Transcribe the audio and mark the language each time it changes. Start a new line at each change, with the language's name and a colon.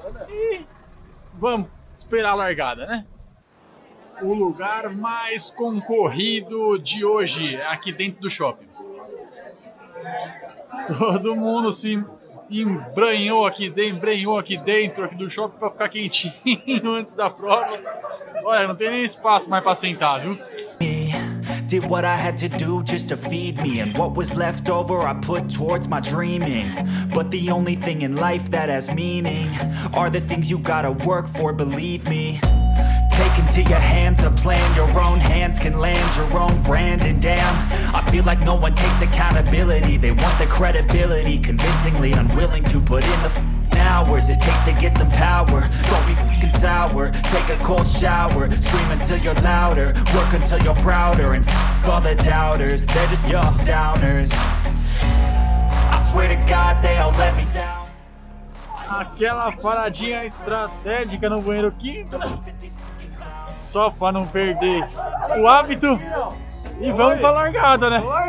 Portuguese: E vamos esperar a largada, né? O lugar mais concorrido de hoje é aqui dentro do shopping. Todo mundo se embrenhou aqui, aqui do shopping pra ficar quentinho antes da prova. Olha, não tem nem espaço mais pra sentar, viu?
English: Did what I had to do just to feed me, and what was left over I put towards my dreaming. But the only thing in life that has meaning are the things you gotta work for, believe me. Take into your hands a plan, your own hands can land your own brand. And damn, I feel like no one takes accountability. They want the credibility, convincingly unwilling to put in the hours it takes to get some power. Don't be f***ing sour, take a cold shower, scream until you're louder, work until you're prouder, and f*** all the doubters, they're just your downers. I swear to God they all let me down.
Portuguese: Aquela paradinha estratégica no banheiro químico, só pra não perder o hábito, e vamos pra largada, né?